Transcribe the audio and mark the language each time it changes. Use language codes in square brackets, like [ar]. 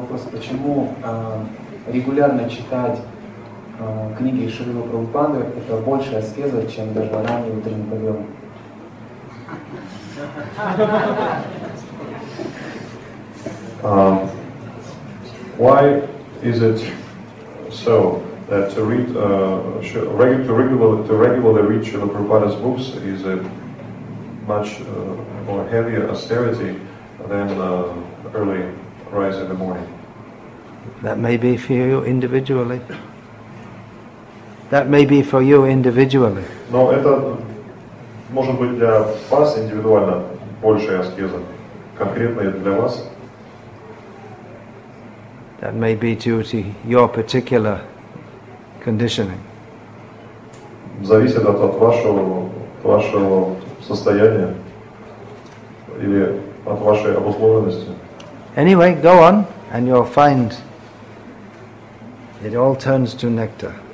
[ru] Почему регулярно читать книги Шрилы Прабхупады – это больше аскеза, чем даже ранний утренний подъем? [en] Why is it so that to read to regularly read Shrila Prabhupada's books is a much more heavier austerity than early rise in the morning? That may be for you individually. That may be for you individually. [ru] Но это может быть для вас индивидуально большая аскеза. Конкретно это для вас. [en] That may be due to your particular conditioning. [ru] Зависит от вашего состояния или от вашей обусловленности. [en] Anyway, go on and you'll find it all turns to nectar.